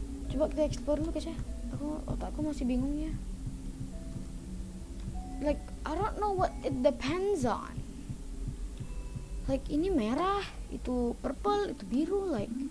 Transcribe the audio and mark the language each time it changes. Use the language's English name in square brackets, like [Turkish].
[Indonesian] Coba kita explore dulu guys ya. Aku otakku masih bingung ya. [English] Like, I don't know what it depends on. [Indonesian] Like, ini merah, itu purple, itu biru, like.